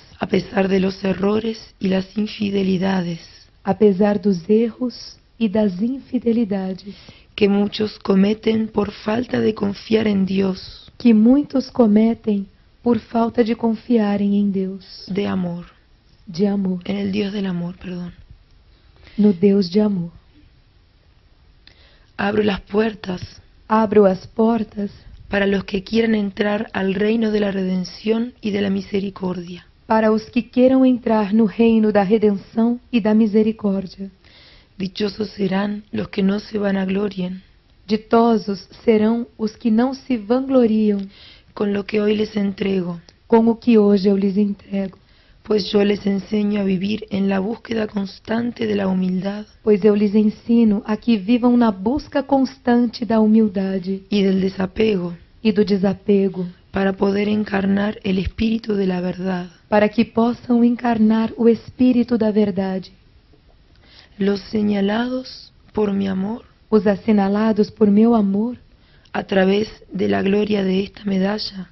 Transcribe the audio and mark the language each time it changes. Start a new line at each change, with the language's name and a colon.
Spanish: A pesar de los errores y las infidelidades.
Portuguese: Apesar dos erros e das infidelidades.
Spanish: Que muchos cometen por falta de confiar en Dios.
Portuguese: Que muitos cometem por falta de confiarem em Deus.
Spanish: De amor.
Portuguese: De amor.
Spanish: En el Dios del amor, perdón.
Portuguese: No Deus de amor.
Spanish: Abro las puertas.
Portuguese: Abro as portas.
Spanish: Para los que quieran entrar al reino de la redención y de la misericordia.
Portuguese: para os que queiram entrar no reino da redenção e da misericórdia.
Spanish: Dichosos serán los que no se vanaglorian.
Portuguese: Ditosos serão os que não se vangloriam.
Spanish: Con lo que hoy les entrego.
Portuguese: Com o que hoje eu lhes entrego.
Spanish: Pues yo les enseño a vivir en la búsqueda constante de la humildad.
Portuguese: Pois eu lhes ensino a que vivam na busca constante da humildade.
Spanish: Y del desapego.
Portuguese: E do desapego.
Spanish: Para poder encarnar el espíritu de la verdad.
Portuguese: Para que possam encarnar o espírito da verdade.
Spanish: Los señalados por mi amor.
Portuguese: Os assinalados por meu amor.
Spanish: A través de la gloria de esta medalla.